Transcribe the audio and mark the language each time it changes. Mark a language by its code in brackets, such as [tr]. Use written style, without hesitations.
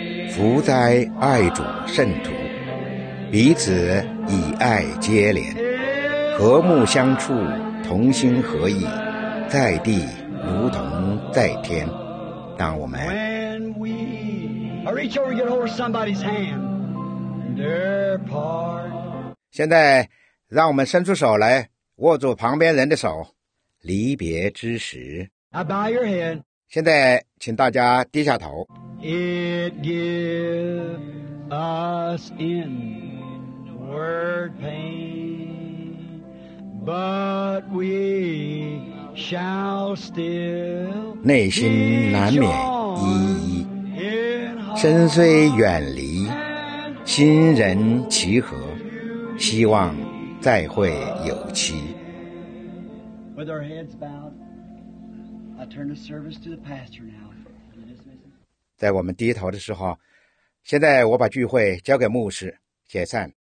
[zh] 福哉爱主圣徒，彼此以爱接连，和睦相处，同心合意，在地如同在天。当我们 [en] When we reach over, get over somebody's hand, their part. [zh] 现在让我们伸出手来握住旁边人的手，离别之时 [en] I bow your head. [zh] 现在请大家低下头。 [en] It gives us inward pain, but we shall still rejoice. [zh] 内心难免依依，身虽远离，心仍齐合，希望再会有期。 [en] With our heads bowed, I turn the service to the pastor now. [zh] 在我们低头的时候，现在我把聚会交给牧师，解散。